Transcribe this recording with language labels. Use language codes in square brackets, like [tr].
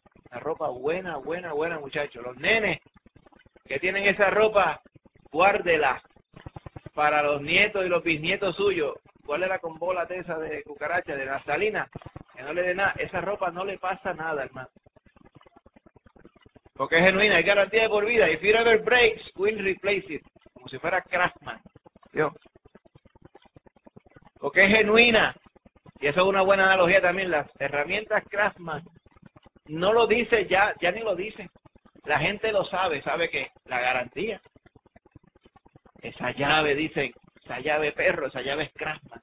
[es] La ropa buena, buena, buena, muchachos. Los nenes que tienen esa ropa, guárdela para los nietos y los bisnietos suyos. Guárdela con bola de esa de cucaracha, de naftalina. Que no le dé nada, esa ropa no le pasa nada, hermano. Porque es genuina, hay garantía de por vida. [en] If it ever breaks, we'll replace it. [es] Como si fuera Craftsman. Dios. Porque es genuina. Y eso es una buena analogía también. Las herramientas Craftsman no lo dice ya, ya ni lo dice. La gente lo sabe, sabe que la garantía. Esa llave, dicen, esa llave perro, esa llave es Craftsman.